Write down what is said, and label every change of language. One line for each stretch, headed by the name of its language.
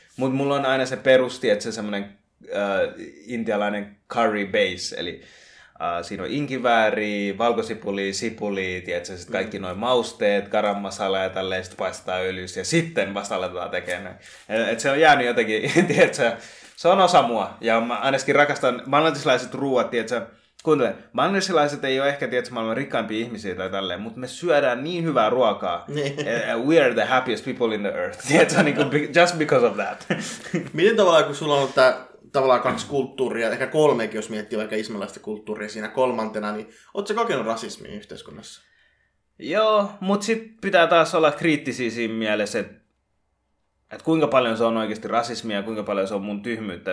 Finnish: Mutta mulla on aina se perusti, että se semmoinen intialainen curry base, eli siinä on inkivääriä, valkosipulia, sipulia, tietsä, sit kaikki noin mausteet, garam masala ja tälleen, sitten paistetaan öljyssä ja sitten vasta aletaan tekemään. Että se on jäänyt jotenkin, tietsä, se on osa mua. Ja mä ainakin rakastan bangladesilaiset ruuat, tietsä, kuuntele, bangladesilaiset ei ole ehkä, tietsä, maailman rikkaimpia ihmisiä tai tälleen, mutta me syödään niin hyvää ruokaa.
English: We are the happiest people in the earth,
Finnish: tietsä, niin kuin,
English: just because of that.
Finnish: Miten tavallaan, kun sulla on tää, tavallaan kaksi kulttuuria, ehkä kolmeekin, jos miettii vaikka islamilaista kulttuuria siinä kolmantena, niin ootko sä kokenut rasismia yhteiskunnassa? Joo, mutta sit pitää taas olla kriittisiä siinä mielessä, että kuinka paljon se on oikeasti rasismia ja kuinka paljon se on mun tyhmyyttä.